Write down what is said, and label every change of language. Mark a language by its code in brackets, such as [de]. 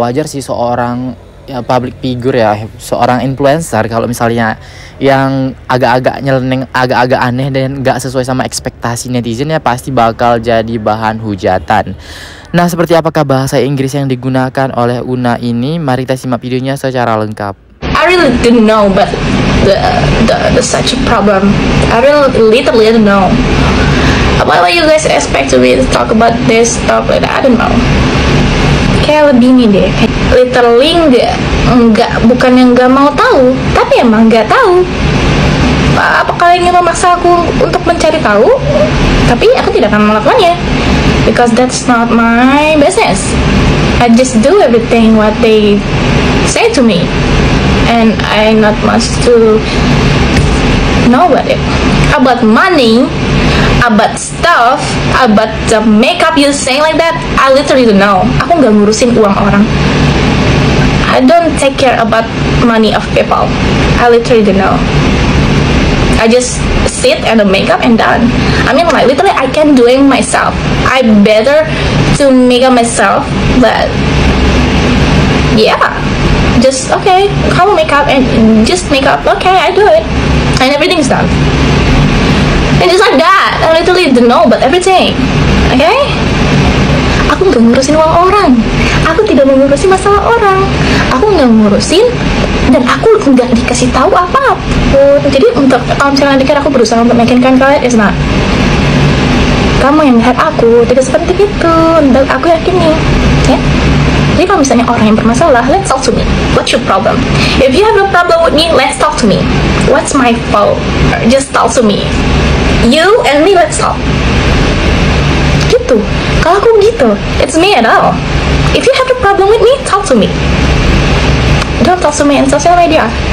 [id] Wajar sih seorang ya public figure ya, seorang influencer kalau misalnya yang agak-agak nyeleneng, agak-agak aneh dan gak sesuai sama ekspektasi netizen ya pasti bakal jadi bahan hujatan. Nah, seperti apakah bahasa Inggris yang digunakan oleh Una ini? Mari kita simak videonya secara lengkap. [en] I really didn't know, but the such a problem. I really literally didn't know. What you guys expect to me to talk about this topic? I don't know. [id] Kayak lebih ini deh, literally enggak, bukan yang enggak mau tahu, tapi emang enggak tahu. Apa kalian ingin memaksa aku untuk mencari tahu? Tapi aku tidak akan melakukannya, [en] because that's not my business. I just do everything what they say to me, and I not much to know about it. About money, about stuff, about the makeup you saying like that, I literally don't know. [id] Aku gak ngurusin uang orang. [en] I don't take care about money of people. I literally don't know. I just sit and the makeup and done. I mean like literally I can do it myself. I better to make up myself, but yeah. Just okay, come makeup and just makeup. Okay, I do it. And everything's done. And just like that, I literally don't know about everything, okay? [id] Aku gak ngurusin uang orang, aku tidak mengurusin masalah orang, aku gak ngurusin dan aku gak dikasih tahu apapun. Jadi untuk tahun sekarang dikira aku berusaha untuk meyakinkan kalian, [en] it's not. [id] Kamu yang lihat aku tidak seperti itu, dan aku yakini, ya? [en] Yeah? [id] Jadi kalau misalnya orang yang bermasalah, [en] let's talk to me. What's your problem? If you have a problem with me, let's talk to me. What's my fault? Just talk to me. You and me, let's talk. Gitu. [id] Kalau aku gitu, [en] it's me at all. If you have a problem with me, talk to me. Don't talk to me in social media.